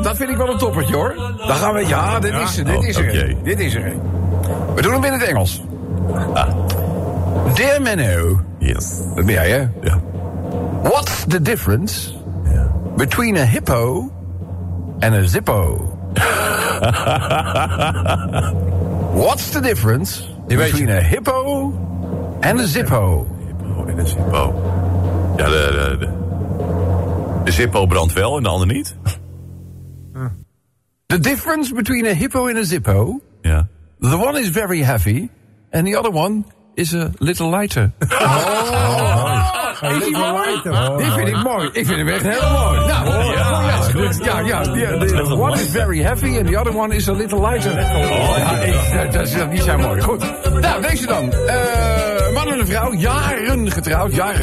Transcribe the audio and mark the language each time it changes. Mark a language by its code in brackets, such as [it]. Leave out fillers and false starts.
[nl] Dat vind ik wel een toppertje, hoor. Dan gaan we... Ja, dit is er. Dit is er. We doen hem in het Engels. [en] Dear Menno. Yes. [nl] Dat ben jij, hè? Ja. [en] What's the difference between a hippo and a zippo? What's the difference between a hippo and a zippo? [nl] Hippo en een zippo. Ja, de zippo brandt wel en de ander niet. [en] The difference between a hippo and a zippo. [nl] Ja. [en] The one is very heavy and the other one is a little lighter. [nl] Is hij mooi? Die vind ik mooi. Ik vind hem echt heel mooi. [en] Ja, one is very heavy and the other one is a little lighter. [nl] Die zijn mooi. Goed. Nou, deze dan. Man en een vrouw, jaren getrouwd.